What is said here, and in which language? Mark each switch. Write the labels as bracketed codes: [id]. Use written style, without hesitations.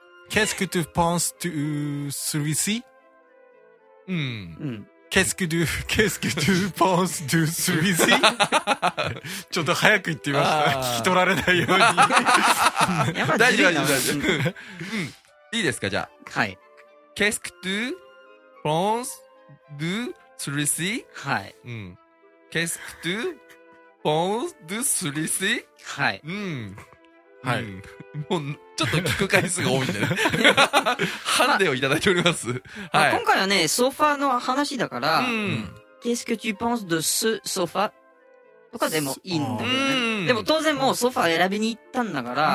[fr] Qu'est-ce que tu penses de celui-ci? [ja] うん。うん。 [fr] Qu'est-ce que tu penses de celui-ci? [ja] ちょっと早く言ってみました。聞き取られないように。大丈夫、大丈夫、大丈夫。いいですか、じゃあ。はい。 [fr] Qu'est-ce que tu... Pense de celui-ci. [ja] Hi. [fr] Qu'est-ce que tu penses de celui-ci? [ja] Hi. Hi. もうちょっと聞く回数が多いんでね。ハンデをいただいております。はい。今回はね、ソファーの話だから、 [fr] Qu'est-ce que tu penses de ce sofa? [ja] とかでもいいんだけどね。でも当然もうソファー選びに行ったんだから。